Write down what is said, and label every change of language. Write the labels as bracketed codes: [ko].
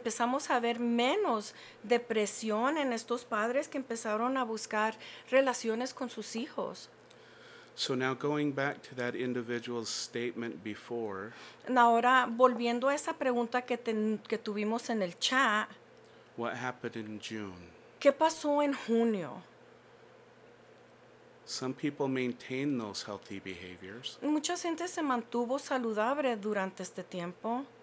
[es] Empezamos a ver menos depresión en estos padres que empezaron a buscar relaciones con sus hijos. [en] So now going back to that individual's statement before. [es] Ahora volviendo a esa pregunta que tuvimos en el chat. [en] What happened in June? [es] ¿Qué pasó en junio? [en] Some people maintain those healthy behaviors. [es] Mucha gente se mantuvo saludable durante este tiempo.